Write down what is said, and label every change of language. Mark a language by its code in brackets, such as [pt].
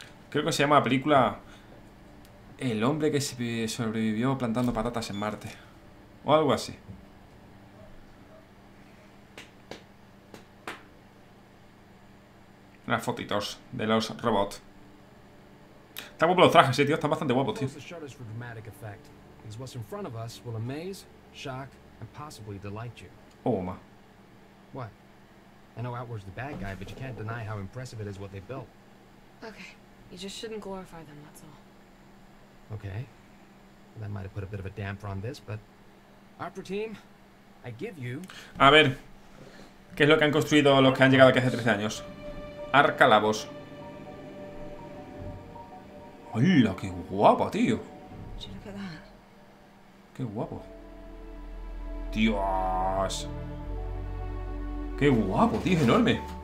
[es] Creo que se llama la película El hombre que sobrevivió plantando patatas en Marte. O algo así. Unas fotitos de los robots. Está guapo los trajes, tío. Están bastante guapos, tío. [en] Shutters for dramatic effect. Because what's in front of us will amaze, shock, and possibly delight you. Oh, ma. What? I know Outward's the bad guy, but you can't deny how impressive it is what they built. Okay. You just shouldn't glorify them, that's all. Okay. Well, that might have put a bit of a damper on this, but Opera team, I give you. [es] A ver. ¿Qué es lo que han construido los que han llegado aquí hace 13 años? Arca Labos. ¡Hola! ¡Qué guapa, tío! ¡Qué guapo! ¡Dios! ¡Qué guapo, tío! ¡Es enorme!